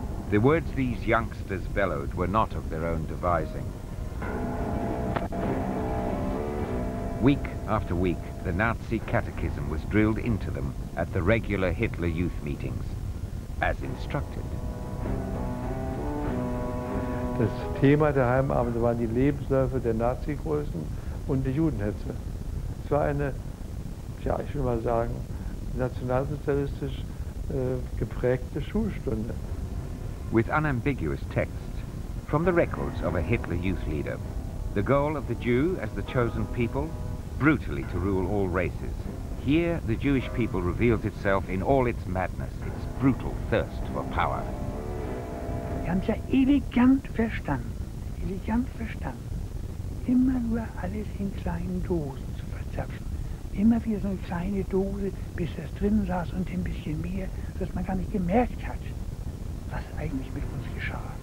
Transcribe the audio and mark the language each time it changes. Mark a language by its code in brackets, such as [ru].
[en] The words these youngsters bellowed were not of their own devising. Week after week, the Nazi catechism was drilled into them at the regular Hitler youth meetings, as instructed. [de] Das Thema der Heimabend waren die Lebensläufe der Nazi-Größen und die Judenhetze. Es war eine, ja, ich will mal sagen, nationalsozialistisch geprägte Schulstunde. [en] With unambiguous text, from the records of a Hitler youth leader, the goal of the Jew as the chosen people, brutally to rule all races. Here, the Jewish people reveals itself in all its madness, its brutal thirst for power. [de] Wir haben es ja elegant verstanden, immer nur alles in kleinen Dosen zu verzapfen. Immer wieder so eine kleine Dose, bis das drin saß und ein bisschen mehr, dass man gar nicht gemerkt hat, was eigentlich mit uns geschah.